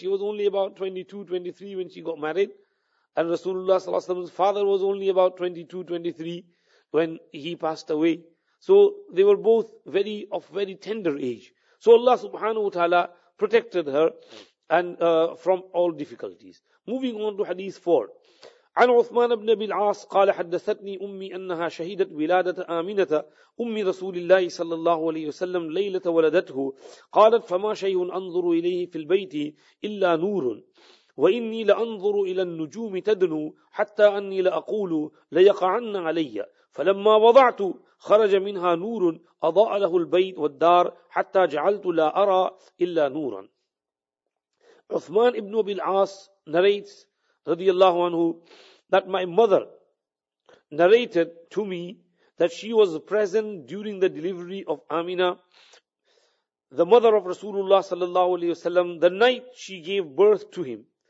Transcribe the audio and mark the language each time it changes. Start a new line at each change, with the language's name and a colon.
English: She was only about 22, 23 when she got married, and Rasulullah sallallahu alaihi wasallam's father was only about 22, 23 when he passed away. So they were both very tender age. So Allah subhanahu wa ta'ala protected her and from all difficulties. Moving on to hadith 4.
Arabic: عن عثمان بن أبي العاص قال حدثتني أمي أنها شهدت ولادة آمنة أم رسول الله صلى الله عليه وسلم ليلة ولدته قالت فما شيء أنظر إليه في البيت إلا نور وإني لأنظر إلى النجوم تدنو حتى أني لأقول ليقعن علي فلما وضعت خرج منها نور أضاء له البيت والدار حتى جعلت لا أرى إلا نورا.
English: عثمان بن أبي العاص narrates radiallahu anhu, that my mother narrated to me that she was present during the delivery of Amina, the mother of Rasulullah sallallahu alayhi wa sallam, the night she gave birth to him.